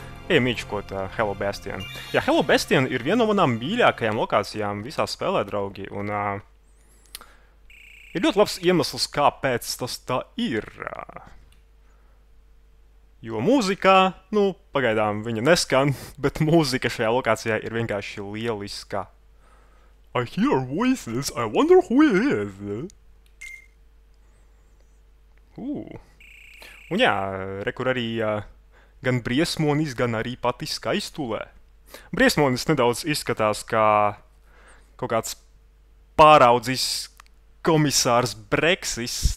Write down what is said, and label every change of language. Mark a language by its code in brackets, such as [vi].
[lv] Ejam īčkot Hello Bastion. Jā, Hello Bastion ir viena no manām mīļākajām lokācijām visā spēlē, draugi, un ir ļoti labs iemesls, kāpēc tas tā ir. Jo mūzika, nu, pagaidām viņa neskan, bet mūzika šajā lokācijā ir vienkārši lieliska. [en] I hear voices, I wonder who it is. [lv] Un jā, rekur arī gan briesmonis, gan arī pati skaistulē. Briesmonis nedaudz izskatās kā kaut kāds pāraudzis komisārs Brexis.